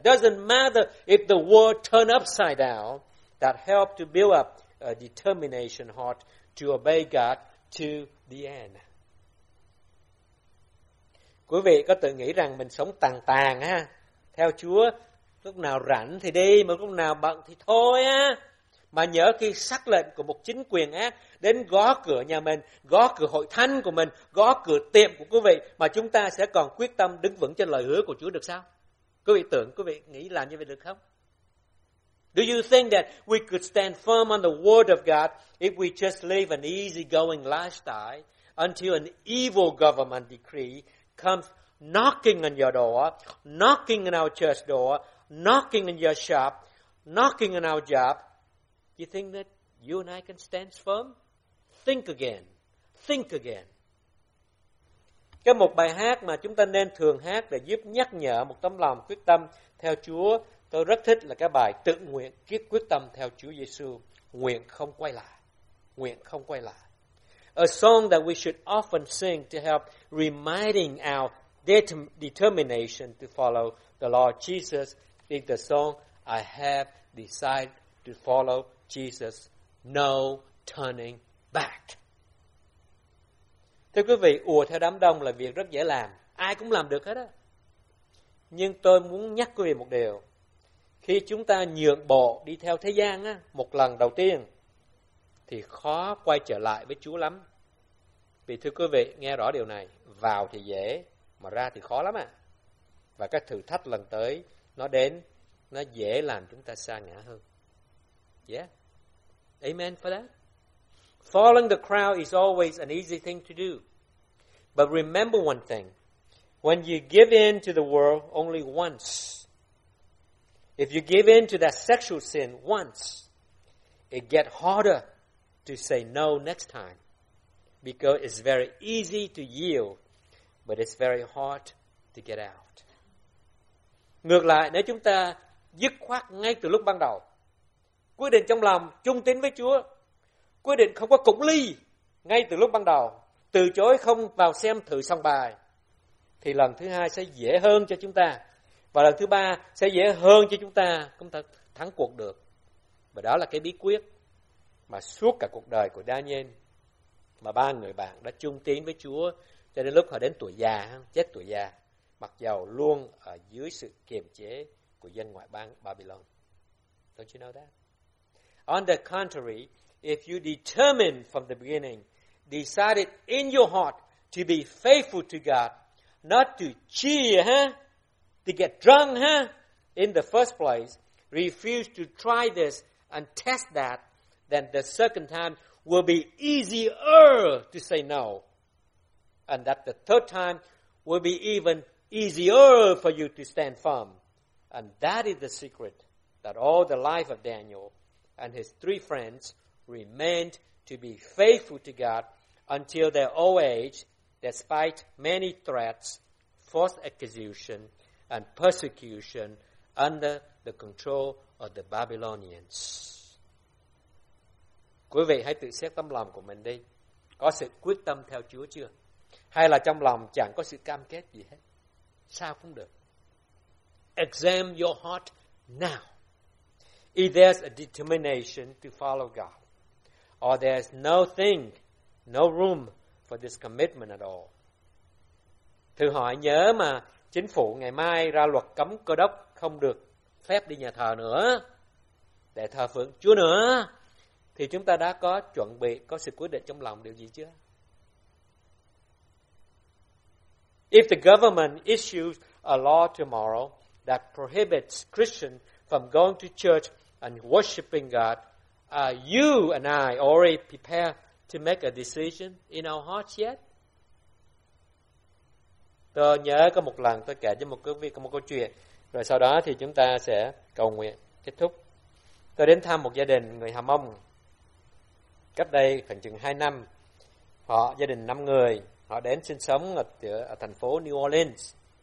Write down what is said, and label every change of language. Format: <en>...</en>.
<en>Doesn't matter if the world turned upside down, that helped to build up a determination heart to obey God to the end.</en> <vi>Quý vị có tự nghĩ rằng mình sống tàn tàn ha, theo Chúa lúc nào rảnh thì đi, mà lúc nào bận thì thôi á. Mà nhớ khi sắc lệnh của một chính quyền ác đến gõ cửa nhà mình, gõ cửa hội thánh của mình, gõ cửa tiệm của quý vị, mà chúng ta sẽ còn quyết tâm đứng vững trên lời hứa của Chúa được sao? Quý vị tưởng, quý vị nghĩ làm như vậy được không?</vi> <en>Do you think that we could stand firm on the word of God if we just live an easygoing lifestyle until an evil government decree comes knocking on your door, knocking on our church door, knocking on your shop, knocking on our job? You think that you and I can stand firm? Think again.</en> <vi>Cái một bài hát mà chúng ta nên thường hát để giúp nhắc nhở một tấm lòng quyết tâm theo Chúa, tôi rất thích là cái bài tự nguyện quyết tâm theo Chúa Giêsu, nguyện không quay lại.</vi> <en>A song that we should often sing to help reminding our determination to follow the Lord Jesus is the song I Have Decided to Follow Jesus, No Turning Back.</en> <vi>Thưa quý vị, ùa theo đám đông là việc rất dễ làm, ai cũng làm được hết á. Nhưng tôi muốn nhắc quý vị một điều: khi chúng ta nhượng bộ đi theo thế gian á, một lần đầu tiên thì khó quay trở lại với Chúa lắm. Vì thưa quý vị, nghe rõ điều này, vào thì dễ, mà ra thì khó lắm ạ. Và các thử thách lần tới, nó đến, nó dễ làm chúng ta sa ngã hơn.</vi> <en>Yeah. Amen for that. Following the crowd is always an easy thing to do. But remember one thing. When you give in to the world only once, if you give in to that sexual sin once, it gets harder to say no next time. Because it's very easy to yield, but it's very hard to get out.</en> <vi>Ngược lại, nếu chúng ta dứt khoát ngay từ lúc ban đầu, quyết định trong lòng trung tín với Chúa, quyết định không có cụng ly ngay từ lúc ban đầu, từ chối không vào xem thử xong bài, thì lần thứ hai sẽ dễ hơn cho chúng ta, và lần thứ ba sẽ dễ hơn cho chúng ta thắng cuộc được. Và đó là cái bí quyết mà suốt cả cuộc đời của Daniel mà ba người bạn đã trung tín với Chúa cho đến lúc họ đến tuổi già, chết tuổi già, mặc dầu luôn ở dưới sự kiềm chế của dân ngoại bang Babylon.</vi> <en>Don't you know that? On the contrary, if you determine from the beginning, decided in your heart to be faithful to God, not to cheer, to get drunk, in the first place, refuse to try this and test that, then the second time will be easier to say no. And that the third time will be even easier for you to stand firm. And that is the secret that all the life of Daniel and his three friends remained to be faithful to God until their old age, despite many threats, forced execution, and persecution under the control of the Babylonians.</en> <vi>Quý vị hãy tự xét tâm lòng của mình đi. Có sự quyết tâm theo Chúa chưa? Hay là trong lòng chẳng có sự cam kết gì hết? Sao cũng được.</vi> <en>Examine your heart now. If there's a determination to follow God, or there's nothing, no room for this commitment at all.</en> <vi>Thử hỏi nhớ mà chính phủ ngày mai ra luật cấm cơ đốc không được phép đi nhà thờ nữa, để thờ phượng Chúa nữa, thì chúng ta đã có chuẩn bị, có sự quyết định trong lòng điều gì chưa?</vi> <en>If the government issues a law tomorrow that prohibits Christians from going to church and worshiping God, are you and I already prepared to make a decision in our hearts yet?</en> <vi>Tôi nhớ có một lần tôi kể cho một quý vị một câu chuyện, rồi sau đó thì chúng ta sẽ cầu nguyện kết thúc. Tôi đến thăm một gia đình người Hà Mông cách đây khoảng chừng 2 năm. Họ gia đình 5 người, họ đến sinh sống ở thành phố New Orleans.</vi>